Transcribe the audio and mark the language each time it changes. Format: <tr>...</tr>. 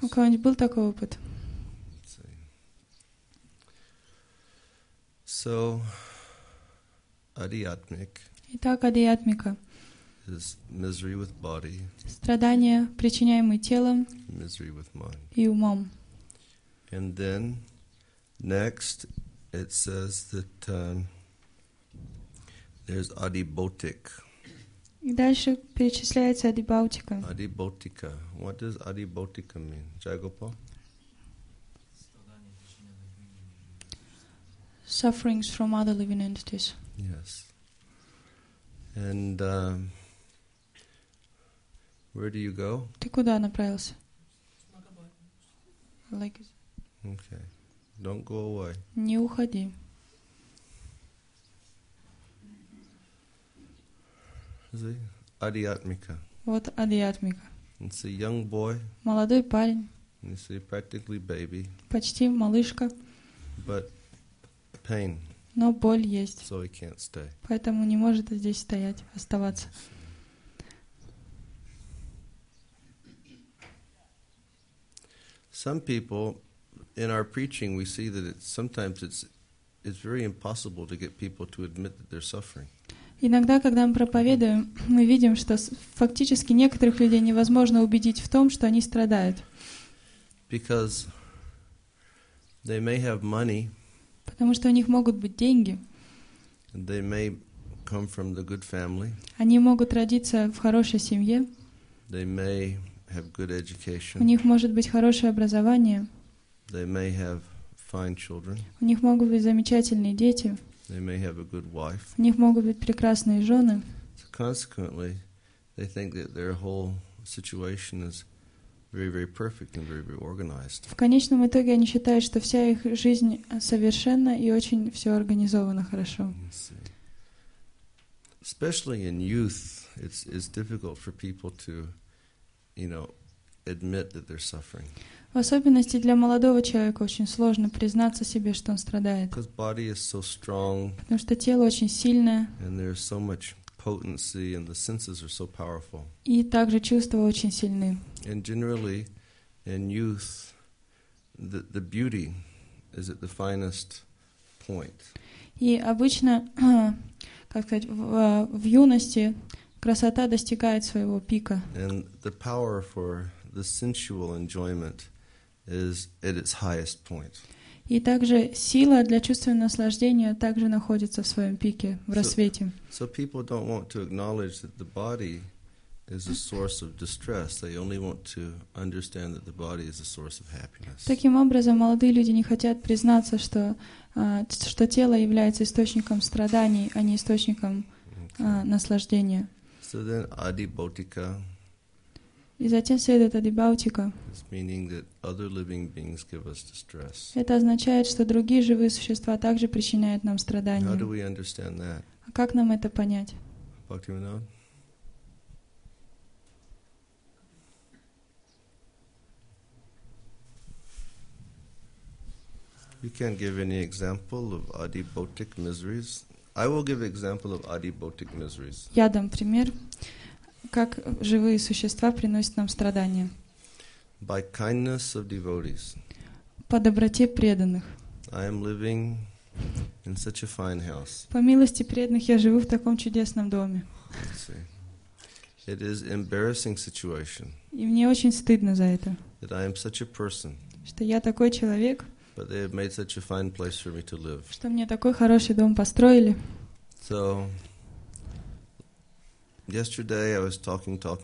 <ru>У кого-нибудь был такой опыт?</ru> <en>So, adiatmik.</en> <ru>Итак, адиатмика.</ru> <en>Is misery with body,</en> <ru>страдания, причиняемые телом,</ru> <en>misery with mind.</en> <ru>И умом.</ru> <en>And then, next, it says that there's adibhautik.</en> <ru>И дальше перечисляется адибхаутика. Адибхаутика.</ru> <en>What does адибхаутика mean? Jagopal? Sufferings from other living entities. Yes. And where do you go?</en> <ru>Ты куда направился?</ru> <en>Like it. Okay. Don't go away.</en> <ru>Не уходи.</ru> <en>See? Adiatmika.</en> <ru>Вот адиатмика.</ru> <en>It's a young boy.</en> <ru>Молодой парень.</ru> <en>You see, practically baby.</en> <ru>Почти малышка.</ru> <en>But pain.</en> <ru>Но боль есть.</ru> <en>So he can't stay.</en> <ru>Поэтому не может здесь стоять, оставаться.</ru> <en>Some people in our preaching we see that it's sometimes very impossible to get people to admit that they're suffering.</en> <ru>Иногда, когда мы проповедуем, мы видим, что фактически некоторых людей невозможно убедить в том, что они страдают.</ru> <en>Because they may have money.</en> <ru>Потому что у них могут быть деньги.</ru> <en>They may come from the good family.</en> <ru>Они могут родиться в хорошей семье.</ru> <en>They may have good education.</en> <ru>У них может быть хорошее образование.</ru> <en>They may have fine children.</en> <ru>У них могут быть замечательные дети.</ru> <en>They may have a good wife.</en> <ru>У них могут быть прекрасные жены.</ru> <en>So consequently, they think that their whole situation is very, very perfect and very, very organized.</en> <ru>В конечном итоге они считают, что вся их жизнь совершенна и очень все организовано хорошо.</ru> <en>Especially in youth, it's difficult for people to, you know, admit that they're suffering.</en> <ru>В особенности для молодого человека очень сложно признаться себе, что он страдает.</ru> <en>Because body is so strong.</en> <ru>Потому что тело очень сильное.</ru> <en>And there's so much potency, and the senses are so powerful.</en> <ru>И также чувства очень сильны.</ru> <en>And generally, in youth, the beauty is at the finest point.</en> <ru>И обычно, как сказать, в юности красота достигает своего пика.</ru> <en>And the power for the sensual enjoyment is at its highest point.</en> <ru>И также сила для чувственного наслаждения также находится в своем пике, в рассвете.</ru> <en>So people don't want to acknowledge that the body is a source of distress. They only want to understand that the body is a source of happiness.</en> <ru>Таким образом, молодые люди не хотят признаться, что что тело является источником страданий, а не источником наслаждения.</ru> <en>So then, adibhautika.</en> <ru>И затем следует адибхаутика.</ru> <en>It's meaning that other living beings give us distress.</en> <ru>Это означает, что другие живые существа также причиняют нам страдания.</ru> <en>How do we understand that?</en> <ru>А как нам это понять? Бхактивинод?</ru> <en>You can't give any example of adibhautic miseries. I will give example of adipotic miseries.</en> <ru>Я дам пример, как живые существа приносят нам страдания.</ru> <en>By kindness of devotees.</en> <ru>По доброте преданных.</ru> <en>I am living in such a fine house.</en> <ru>По милости преданных я живу в таком чудесном доме.</ru> <en>It is embarrassing situation.</en> <ru>И мне очень стыдно за это.</ru> <en>That I am such a person.</en> <ru>Что я такой человек.</ru> <en>But they have made such a fine place for me to live.</en> <ru>Что мне такой хороший дом построили.</ru> <en>So, yesterday I was talking.</en>